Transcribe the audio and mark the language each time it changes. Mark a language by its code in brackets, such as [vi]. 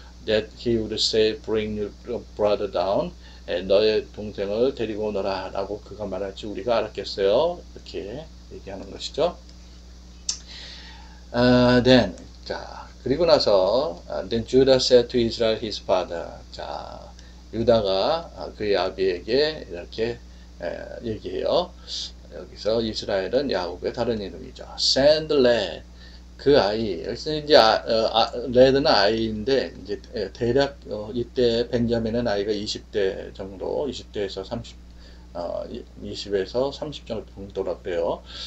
[en] That he would say, bring your brother down. [ko] 너의 동생을 데리고 오너라 라고 그가 말할지 우리가 알았겠어요? 이렇게 얘기하는 것이죠. [en] Then, [ko] 자, 그리고 나서, [en] Then Judah said to Israel his father. [ko] 자, 유다가 그의 아비에게 이렇게 얘기해요. 여기서 이스라엘은 야곱의 다른 이름이죠. [en] Send lad. [ko] 그 아이. 여기서 이제 레드는 아이인데, 이제 대략 이때 벤자민은 아이가 20대 정도, 20대에서 30, 20에서 30 정도 정도라고 해요.